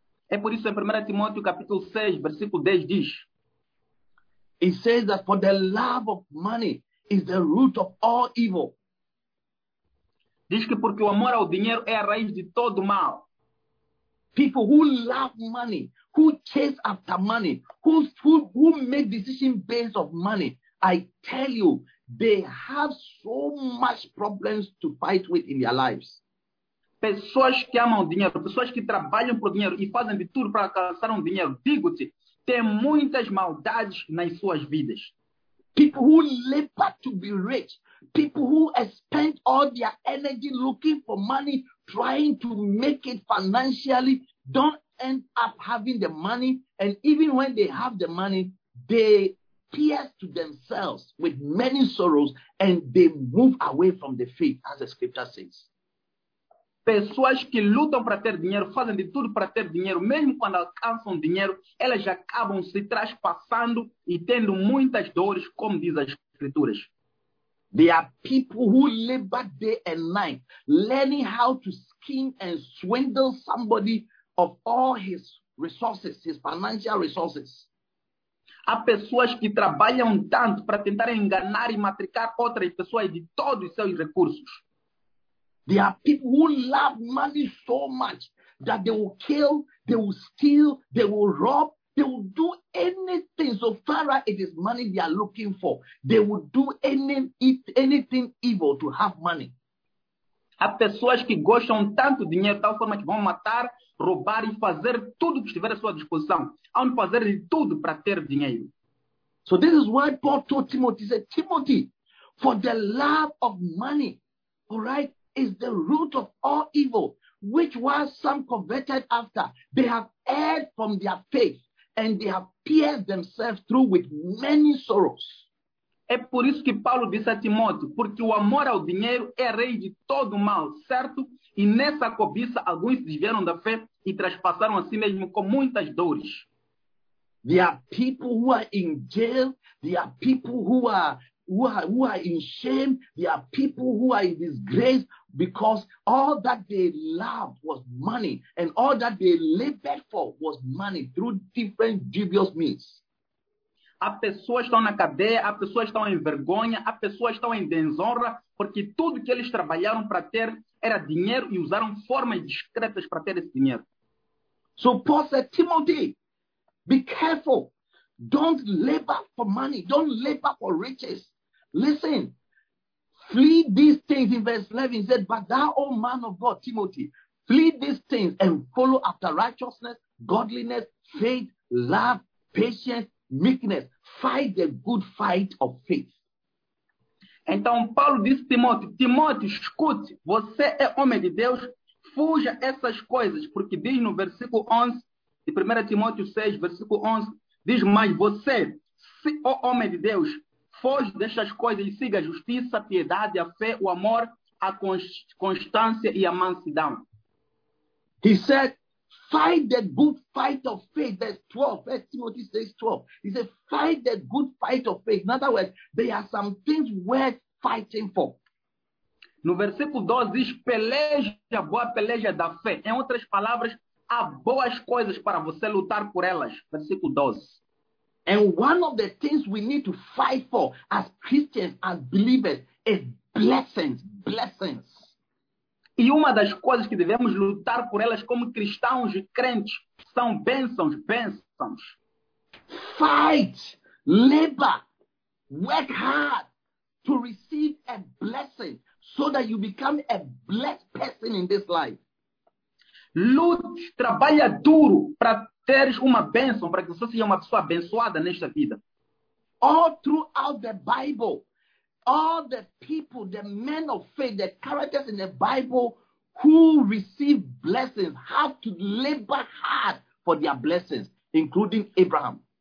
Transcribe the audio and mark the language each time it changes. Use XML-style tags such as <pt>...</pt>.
<pt>É por isso em 1 Timóteo capítulo 6, versículo 10 diz.</pt> <en>It says that for the love of money is the root of all evil.</en> <pt>Diz que porque o amor ao dinheiro é a raiz de todo mal.</pt> <en>People who love money, who chase after money, who make decisions based on money, I tell you, they have so much problems to fight with in their lives.</en> <pt>Pessoas que amam dinheiro, pessoas que trabalham por dinheiro e fazem de tudo para alcançar dinheiro, digo-te, tem muitas maldades nas suas vidas.</pt> <en>People who labor to be rich, people who spend all their energy looking for money, trying to make it financially, don't end up having the money. And even when they have the money, they pierce to themselves with many sorrows and they move away from the faith, as the scripture says.</en> <pt>Pessoas que lutam para ter dinheiro, fazem de tudo para ter dinheiro, mesmo quando alcançam dinheiro, elas acabam se traspassando e tendo muitas dores, como diz as escrituras.</pt> <en>There are people who labor day and night, learning how to skin and swindle somebody of all his resources, his financial resources.</en> <pt>Há pessoas que trabalham tanto para tentar enganar e matricar outras pessoas de todos os seus recursos.</pt> <en>There are people who love money so much that they will kill, they will steal, they will rob, they will do anything so far as it is money they are looking for. They will do anything evil to have money.</en> <pt>Há pessoas que gostam tanto de dinheiro, tal forma que vão matar, roubar e fazer tudo que estiver à sua disposição. Há um fazer de tudo para ter dinheiro.</pt> <en>So this is why Paul told Timothy, he said, Timothy, for the love of money, all right, is the root of all evil, which was some converted after. They have erred from their faith, and they have pierced themselves through with many sorrows.</en> <pt>É por isso que Paulo disse a Timóteo, porque o amor ao dinheiro é rei de todo mal, certo? E nessa cobiça, alguns desviaram da fé e traspassaram a si mesmo com muitas dores.</pt> <en>There are people who are in jail. There are people who are in shame. There are people who are in disgrace because all that they loved was money and all that they labored for was money through different dubious means.</en> <pt>Há pessoas estão na cadeia, há pessoas estão em vergonha, há pessoas estão em desonra porque tudo que eles trabalharam para ter era dinheiro e usaram formas discretas para ter esse dinheiro.</pt> <en>So Paul said, Timothy, be careful. Don't labor for money. Don't labor for riches. Listen, flee these things in verse 11. He said, but thou, O man of God, Timothy, flee these things and follow after righteousness, godliness, faith, love, patience, meekness. Fight the good fight of faith.</en> <pt>Então, Paulo disse a Timóteo, Timóteo, escute, você é homem de Deus, fuja essas coisas, porque diz no versículo 11, de 1 Timóteo 6, versículo 11, diz, mas você, se, ó homem de Deus, foge destas coisas e siga a justiça, a piedade, a fé, o amor, a constância e a mansidão.</pt> <en>He said, fight the good fight of faith. That's 12. 1 Timothy 6, 12. He said, fight the good fight of faith. In other words, there are some things worth fighting for.</en> <pt>No versículo 12 diz, peleja, boa peleja da fé. Em outras palavras, há boas coisas para você lutar por elas. Versículo 12.</pt> <en>And one of the things we need to fight for as Christians, as believers, is blessings, blessings.</en> <pt>E uma das coisas que devemos lutar por elas como cristãos e crentes são bênçãos, bênçãos.</pt> <en>Fight, labor, work hard to receive a blessing so that you become a blessed person in this life.</en> <pt>Lute, trabalha duro para teres uma bênção, para que você seja uma pessoa abençoada nesta vida.</pt> <en>All throughout the Bible, all the people, the men of faith, the characters in the Bible who receive blessings have to labor hard for their blessings, including Abraham.</en>